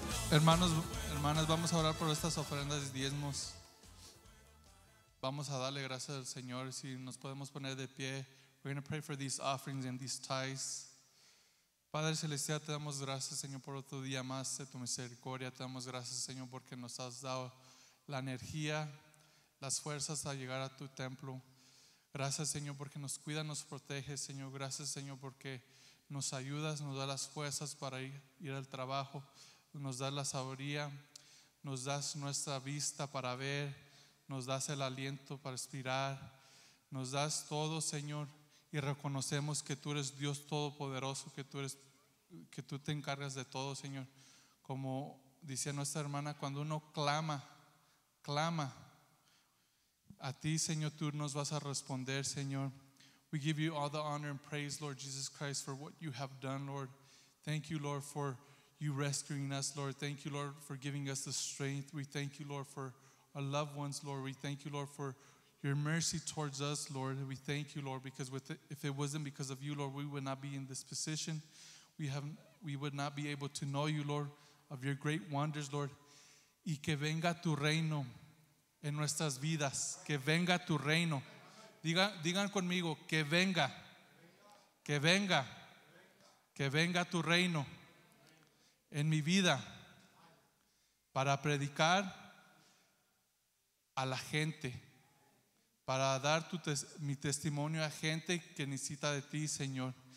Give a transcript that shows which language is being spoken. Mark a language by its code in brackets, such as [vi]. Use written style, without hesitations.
[es] Hermanos, hermanas, vamos a orar por estas ofrendas y diezmos. Vamos a darle gracias al Señor. Si nos podemos poner de pie, [en] we're going to pray for these offerings and these tithes. [es] Padre Celestial, te damos gracias, Señor, por otro día más de tu misericordia. Te damos gracias, Señor, porque nos has dado la energía, las fuerzas a llegar a tu templo. Gracias, Señor, porque nos cuida, nos protege, Señor. Gracias, Señor, porque nos ayudas, nos da las fuerzas para ir al trabajo. Nos das la sabiduría, nos das nuestra vista para ver, nos das el aliento para respirar, nos das todo, Señor, y reconocemos que tú eres Dios Todopoderoso, que tú te encargas de todo, Señor. Como decía nuestra hermana, cuando uno clama, clama a ti, Señor, tú nos vas a responder, Señor. [en] We give you all the honor and praise, Lord Jesus Christ, for what you have done, Lord. Thank you, Lord, for you rescuing us, Lord. Thank you, Lord, for giving us the strength. We thank you, Lord, for our loved ones, Lord. We thank you, Lord, for your mercy towards us, Lord. We thank you, Lord, because if it wasn't because of you, Lord, we would not be in this position. We would not be able to know you, Lord, of your great wonders, Lord. [es] Y que venga tu reino en nuestras vidas. Que venga tu reino. Digan conmigo, que venga. Que venga. Que venga tu reino en mi vida, para predicar a la gente, para dar mi testimonio a gente que necesita de ti, Señor.